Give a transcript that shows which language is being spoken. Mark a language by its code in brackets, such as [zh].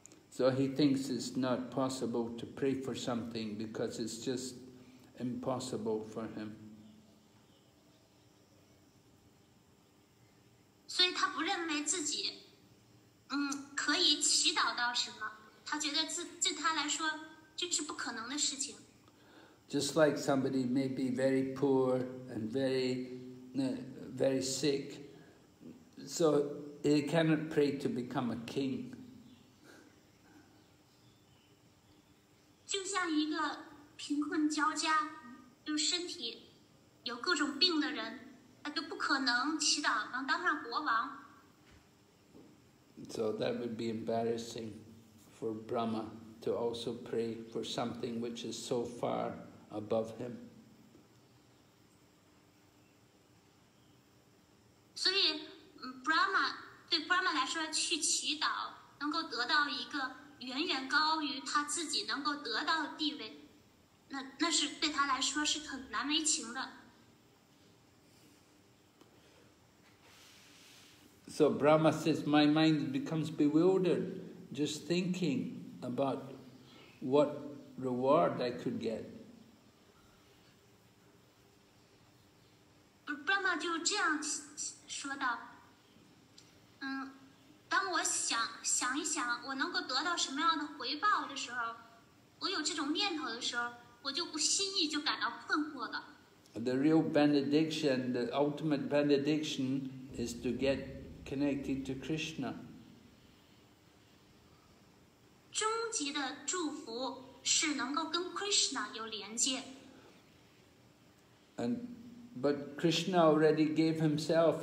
[en] So he thinks it's not possible to pray for something because it's just impossible for him. [zh] 所以他不认为自己可以祈祷到什么，他觉得对他来说这是不可能的事情。 [en] Just like somebody may be very poor and very sick, so he cannot pray to become a king. [zh] 就像一个贫困交加，就是身体有各种病的人，他就不可能祈祷能当上国王。 [en] So that would be embarrassing for Brahma to also pray for something which is so far above him. [zh] 所以 Brahma 对 Brahma 来说，去祈祷能够得到一个远远高于他自己能够得到的地位，那是对他来说是很难为情的。 [en] So Brahma says, my mind becomes bewildered just thinking about what reward I could get. [zh] Brahma 就这样说道，当我想一想我能够得到什么样的回报的时候，我有这种念头的时候，我就不心意就感到困惑了。 [en] The real benediction, the ultimate benediction is to get connected to Krishna. [zh] 终极的祝福是能够跟 Krishna 有连接。 [en] And but Krishna already gave himself.